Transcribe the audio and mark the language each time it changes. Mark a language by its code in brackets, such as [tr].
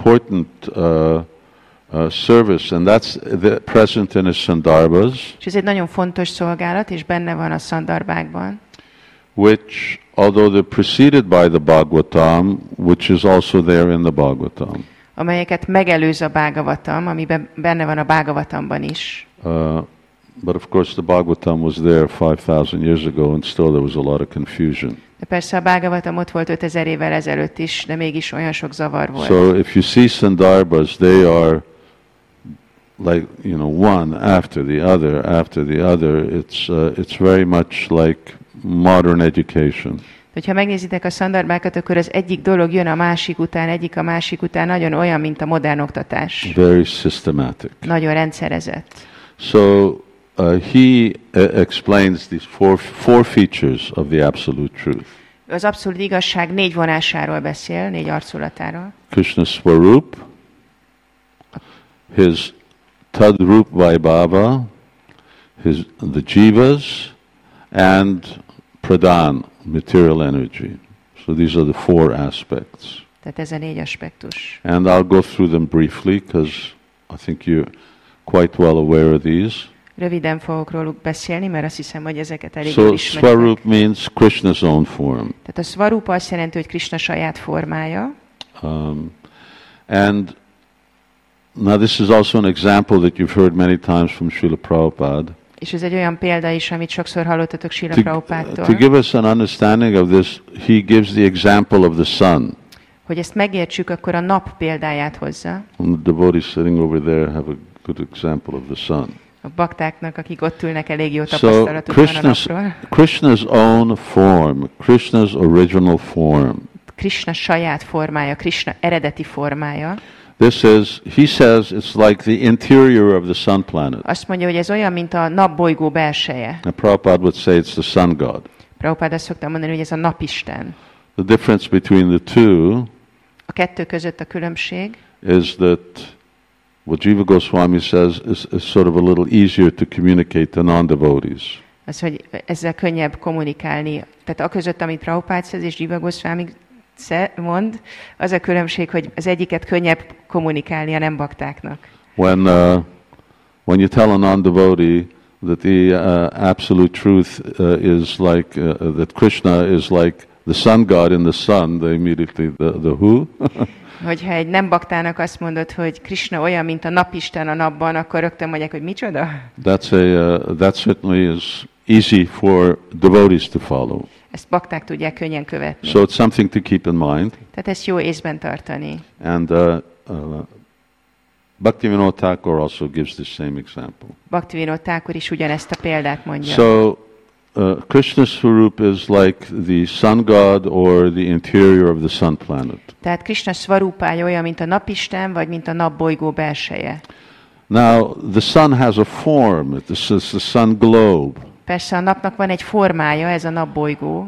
[en] So it was a very important service, and that's the present in his sandarbhas. [hu] És ez egy nagyon fontos szolgálat, és benne van a szandarbhákban. [en] Which, although they're preceded by the Bhagavatam, which is also there in the Bhagavatam. [hu] Amelyeket megelőz a Bhagavatam, amiben benne van a Bhagavatamban is. [en] But of course the Bhagavatam was there 5,000 years ago and still there was a lot of confusion. [hu] De persze a Bhagavatam ott volt 5000 évvel ezelőtt is, de mégis olyan sok zavar volt. [en] So if you see sandarbhas, they are like, you know, one after the other after the other. It's very much like modern education. [hu] Hogyha megnézitek a szandarbákat, akkor az egyik dolog jön a másik után, egyik a másik után, nagyon olyan, mint a modern oktatás. [en] Very systematic. [hu] Nagyon rendszerezett. [en] So he explains these four features of the absolute truth. [hu] Az abszolút igazság négy vonásáról beszél, négy arculatáról. [en] Krishna Swarup, his Tadrup Vaibhava, the Jivas, and Pradan, material energy. So these are the four aspects. [hu] Tehát ez a négy aspektus. [en] And I'll go through them briefly, because I think you're quite well aware of these. [hu] Röviden fogok róluk beszélni, mert azt hiszem, hogy ezeket elég [en] so, [hu] ismerik. [en] Swarup means Krishna's own form. [hu] Tehát a Swarup azt jelenti, hogy Krishna saját formája. [en] And now this is also an example that you've heard many times from Srila Prabhupada. [hu] És ez egy olyan példa is, amit sokszor hallottatok Srila Prabhupádtól. [en] To give us an understanding of this, he gives the example of the sun. [hu] Hogy ezt megértsük, akkor a nap példáját hozza. [en] And the devotees sitting over there have a good example of the sun. [hu] A baktáknak, akik ott ülnek, elég jó tapasztalatuk van a napról. [en] Krishna's own form, Krishna's original form. [hu] Krishna saját formája, Krishna eredeti formája. [en] This is, he says, it's like the interior of the sun planet. [hu] Azt mondja, hogy ez olyan, mint a napbolygó belseje. [en] And Prabhupada would say it's the sun god. [hu] Prabhupada azt szoktam mondani, hogy ez a napisten. [en] The difference between the two. [hu] A kettő között a különbség. [en] Is that what Jiva Goswami says is sort of a little easier to communicate to non-devotees. [hu] az, hogy ezzel könnyebb kommunikálni. Tehát a között, amit Prabhupádhoz és Jiva Goswami mond, az a különbség, hogy az egyiket könnyebb kommunikálni a nem baktáknak. [en] When you tell a non-devotee that the absolute truth is like that Krishna is like the sun god in the sun, they immediately the who? [hu] Hogyha egy nem baktának azt mondod, hogy Krishna olyan, mint a napisten a napban, akkor rögtön mondják, hogy micsoda? [en] That certainly is easy for devotees to follow. [hu] Ezt bakták tudják könnyen követni. [en] So it's something to keep in mind. [hu] Tehát ezt jó észben tartani. [en] And Bhaktivinoda Thakur also gives the same example. [hu] Bhaktivinoda Thakur is ugyanezt a példát mondja. [en] So Krishna Swarup is like the sun god or the interior of the sun planet. [hu] Tehát Krishna Swarupája olyan, mint a napisten, vagy mint a napbolygó belseje. [en] Now the sun has a form. This is the sun globe. [hu] Persze a napnak van egy formája, ez a napbolygó.